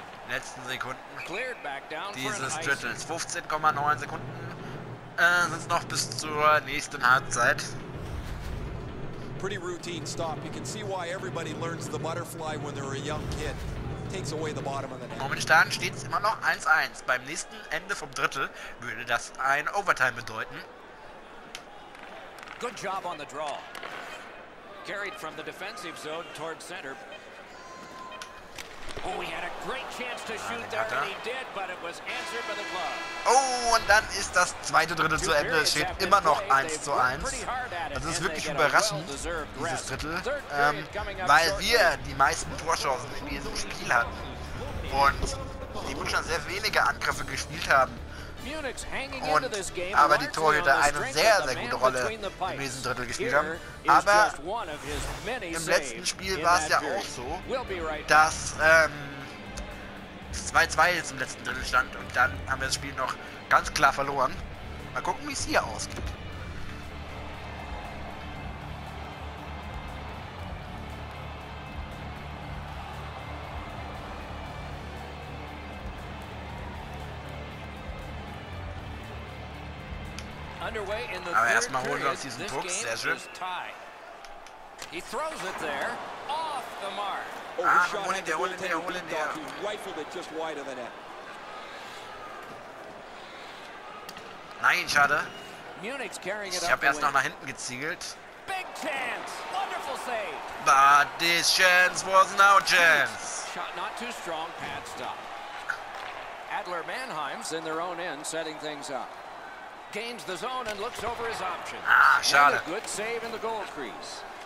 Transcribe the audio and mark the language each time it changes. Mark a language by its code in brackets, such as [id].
[de] Letzten Sekunden dieses Drittels. 15,9 Sekunden sind noch bis zur nächsten Halbzeit. [en] Pretty routine stop. You can see why everybody learns the butterfly when they're a young kid. Takes away the bottom of the net. [de] Momentan steht es immer noch 1-1. Beim nächsten Ende vom Drittel würde das ein Overtime bedeuten. [en] Good job on the draw. Carried from the defensive zone towards center. Oh, he had a great chance to shoot there, and he did, but it was answered by the glove. [de] Oh, und dann ist das zweite Drittel zu Ende. Es steht immer noch 1-1. Das ist wirklich überraschend, dieses Drittel, weil wir die meisten Torchancen in diesem Spiel hatten und die Münchner sehr wenige Angriffe gespielt haben. Und, aber die Torhüter eine sehr, sehr gute Rolle im nächsten Drittel gespielt haben. Aber im letzten Spiel war es ja auch so, dass 2-2 jetzt im letzten Drittel stand und dann haben wir das Spiel noch ganz klar verloren. Mal gucken, wie es hier ausgeht. Aber erstmal holen wir uns diesen Druck, sehr schön. [en] He throws it there, off the mark. [de] Oh, ah, hol ihn der. [en] He rifled it just wide of the net. [de] Nein, schade. Ich habe erst noch nach hinten geziegelt. [en] Big chance, wonderful save. But this chance was no chance. Shot not too strong, pad stop. Adler Mannheim's in their own end, setting things up. Gains the zone and looks over his options. [de] Ah, schade. [en] Good save in the goal crease.